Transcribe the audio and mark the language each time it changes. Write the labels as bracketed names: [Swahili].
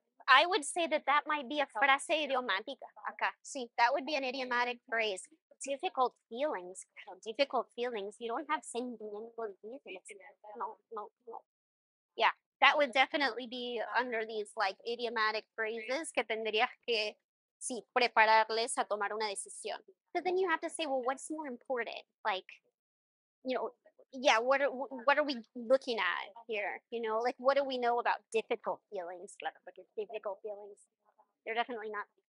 [English] I would say that might be a frase idiomática. Okay, see, that would be an idiomatic phrase. Difficult feelings. Difficult feelings. You don't have sentimental feelings. No. Yeah, that would definitely be under these like idiomatic phrases. [Spanish] Que tendrías que, sí, prepararles a tomar una decisión. [English] So then you have to say, well, what's more important? Like, you know. Yeah, what are we looking at here? You know, like what do we know about difficult feelings? Difficult feelings, they're definitely not.